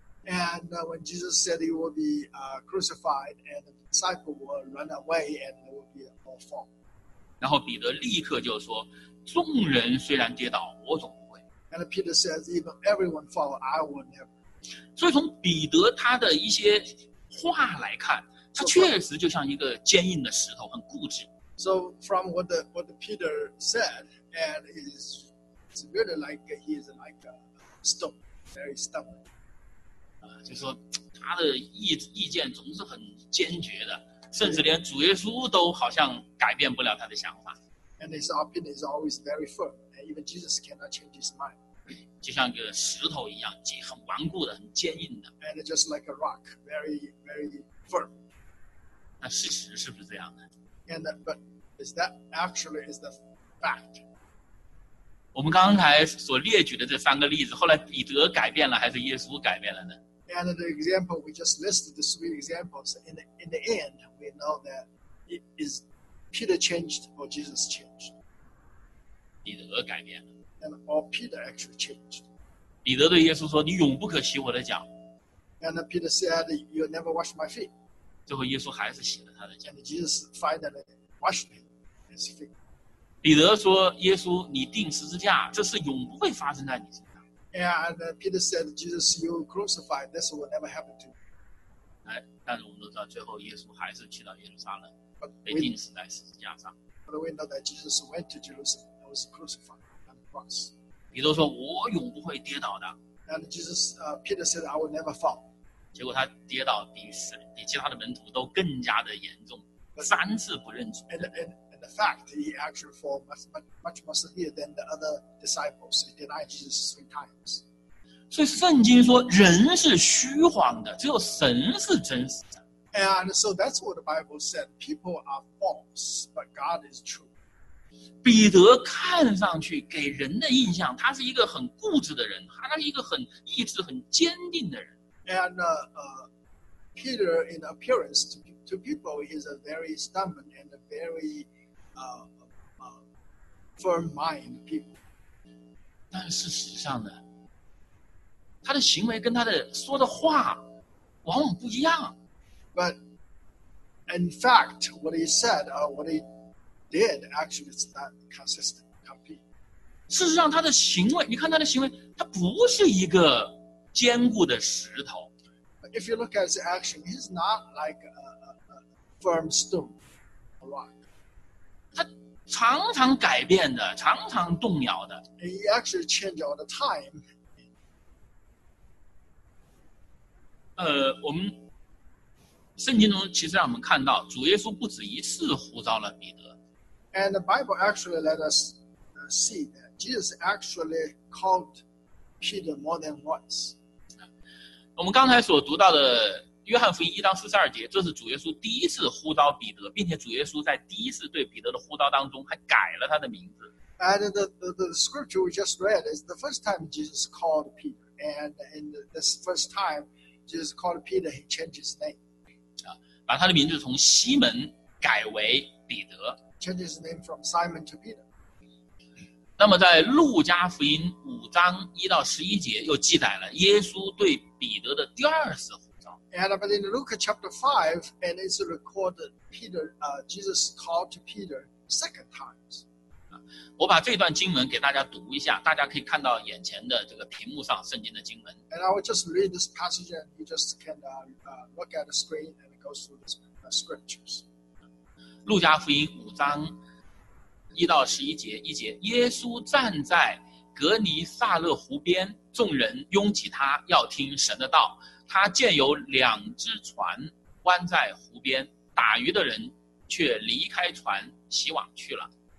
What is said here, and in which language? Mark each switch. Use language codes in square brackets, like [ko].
[en] And when Jesus said he will be crucified, and the disciple will run away, and there will be a fall. [zh] 然后彼得立刻就说：“众人虽然跌倒，我总不会。” [en] And Peter says, "Even everyone fall, I will never." [zh] 所以从彼得他的一些话来看，他确实就像一个坚硬的石头，很固执。 [en] So from what Peter said, and it's really like he is like a stone, very stubborn. [zh] 就是说他的意见总是很坚决的，甚至连主耶稣都好像改变不了他的想法。 [en] And his opinion is always very firm, and even Jesus cannot change his mind. [zh] 就像个石头一样，很顽固的，很坚硬的。 [en] And just like a rock, very, very firm. [zh] 那事实是不是这样的？ [en] And but is that actually is the fact? [zh] 我们刚才所列举的这三个例子，后来彼得改变了，还是耶稣改变了呢？ [en] And the example we just listed, the three examples, in the end, we know that it is Peter changed or Jesus changed. [zh] 彼得改变了。 [en] And all Peter actually changed. [zh] 彼得对耶稣说，你永不可洗我的脚。 [en] And Peter said, you'll never wash my feet. [zh] 最后耶稣还是洗了他的脚。 [en] And Jesus finally washed his feet. [zh] 彼得说，耶稣，你钉十字架，这是永不会发生在你身上。 [en] And Peter said, Jesus, you crucified. This will never happen to me. [zh] 但是我们都知道最后耶稣还是去到耶路撒冷被钉死在十字架上。 [en] But we know that Jesus went to Jerusalem and was crucified on the cross. [zh] 彼得说我永不会跌倒的。 [en] And Jesus, Peter said, I will never fall. [zh] 结果他跌倒比其他的门徒都更加的严重。三次不认主。 [en] And the fact, he actually fell much more severe than the other disciples. He denied Jesus three times. [zh] 所以圣经说人是虚晃的，只有神是真实的。 [en] And so that's what the Bible said. People are false, but God is true. [zh] 彼得看上去给人的印象，他是一个很固执的人，他是一个很意志很坚定的人。 [en] And Peter, in appearance to people, is a very stubborn and a very firm mind people. [zh] 但事实上呢，他的行为跟他的说的话往往不一样。 [en] But in fact, what he said, what he did, actually is not consistent, complete. [zh] 事实上，他的行为，你看他的行为，他不是一个坚固的石头。 [en] But if you look at his action, he's not like a firm stone, a rock. [zh] 他常常改变的，常常动摇的。 [en] He actually changed all the time. [zh] 我们圣经中其实让我们看到，主耶稣不止一次呼召了彼得。 [en] And the Bible actually let us see that Jesus actually called Peter more than once. [zh] 我们刚才所读到的约翰福音一章四十二节，这是主耶稣第一次呼召彼得，并且主耶稣在第一次对彼得的呼召当中还改了他的名字。 [en] And the scripture we just read is the first time Jesus called Peter, and in this first time Jesus called Peter, he changed his name. [zh] 把他的名字从西门改为彼得。 [en] Changed his name from Simon to Peter. [zh] 那么在路加福音五章一到十一节又记载了耶稣对彼得的第二次。 [en] But in Luke chapter 5, and it's recorded Peter, Jesus called to Peter second times. [zh] 我把这段经文给大家读一下，大家可以看到眼前的这个屏幕上圣经的经文。 [en] And I will just read this passage, and you just can look at the screen and go through the scriptures. [zh] 路加福音五章一到十一节，一节，耶稣站在格尼撒勒湖边，众人拥挤他，要听神的道。他见有两只船弯在湖边，打鱼的人却离开船洗网去了。